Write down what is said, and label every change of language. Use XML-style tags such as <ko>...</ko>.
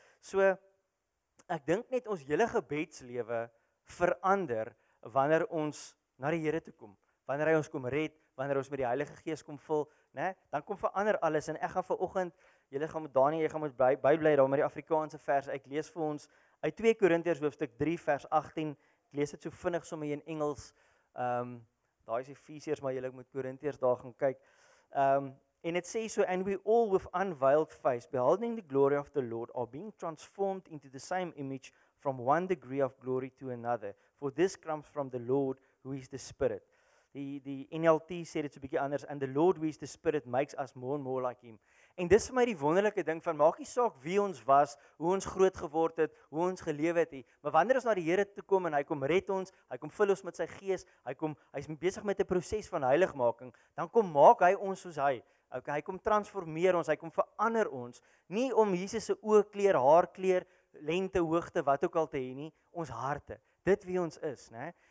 <af>So ek dink net ons hele gebedslewe verander wanneer ons na die Here toe kom. Wanneer hy ons kom red, wanneer ons met die Heilige Gees kom vul, né? Dan kom verander alles en ek gaan vanoggend julle gaan met Daniël, jy gaan met bly daar met die Afrikaanse vers. Ek lees vir ons uit 2 Korintiërs hoofstuk 3 vers 18. Ek lees dit so vinnig sommer in Engels. Daai is Efesiërs, maar julle moet Korintiërs daar gaan kyk. En dit sê so</af> <en>and we all with unveiled face beholding the glory of the Lord are being transformed into the same image from one degree of glory to another. For this comes from the Lord who is the Spirit.</en> <af>Die NLT sê dit so 'n bietjie anders</af> <en>and the Lord who is the Spirit makes us more and more like him.</en> <af>En dis vir my die wonderlike ding van maak nie saak wie ons was, hoe ons groot geword het, hoe ons gelewe het nie, maar wanneer ons na die Here toe kom en hy kom red ons, hy kom vul ons met sy gees, hy's besig met 'n proses van heiligmaking, dan kom maak hy ons soos hy. Okay, hy kom transformeer ons, hy kom verander ons, nie om Jesus se oogkleur, haarkleur, lengte, hoogte, wat ook al te hê nie, ons harte. Dit wie ons is, né?</af>